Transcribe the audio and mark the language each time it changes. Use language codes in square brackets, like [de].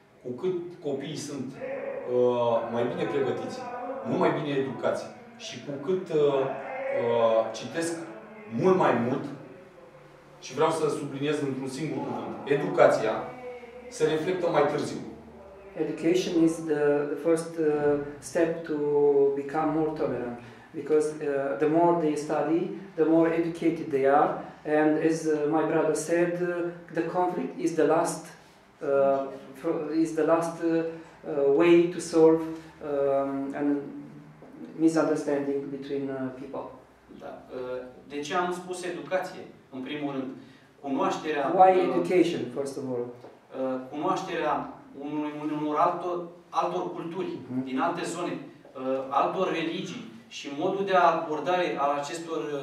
[ro] Cu cât copiii sunt mai bine pregătiți, mult mai bine educați și cu cât citesc mult mai mult, și vreau să subliniez într-un singur cuvânt, educația se reflectă mai târziu. [en] Education is the first step to become more tolerant, because the more they study, the more educated they are. And as my brother said, the conflict is the last way to solve a misunderstanding between people. [ro] Da. De ce am spus educație? În primul rând, cunoașterea. [en] Why education, first of all? [ro] Cunoașterea unor altor culturi, din alte zone, altor religii și modul de abordare al acestor